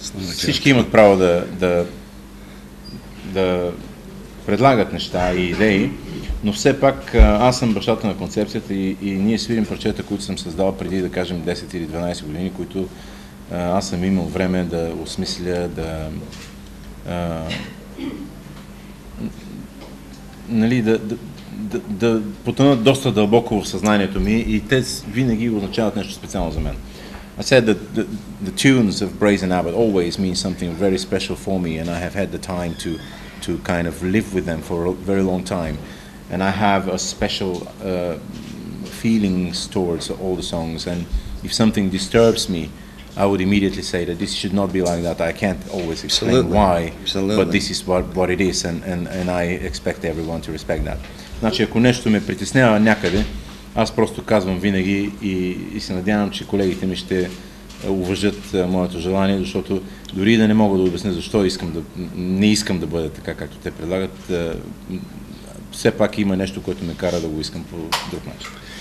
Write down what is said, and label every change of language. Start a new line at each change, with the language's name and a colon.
Bulgarian: Всички имат право да предлагат неща и идеи, но все пак аз съм бащата на концепцията и ние свирим парчета, които съм създал преди да кажем 10 или 12 години, които аз съм имал време да осмисля, да потънат доста дълбоко в съзнанието ми и те винаги означават нещо специално за мен.
English: I said that the tunes of Brazen Abbot always mean something very special for me, and I have had the time to kind of live with them for a very long time, and I have a special feelings towards all the songs. And if something disturbs me, I would immediately say that this should not be like that. I can't always explain why, but this is what it is, and I expect everyone to respect that.
Bulgarian: Значи, ако нещо ме притеснява някъде, аз просто казвам винаги и се надявам, че колегите ми ще уважат моето желание, защото дори да не мога да обясня защо не искам да бъда така, както те предлагат, все пак има нещо, което ме кара да го искам по друг начин.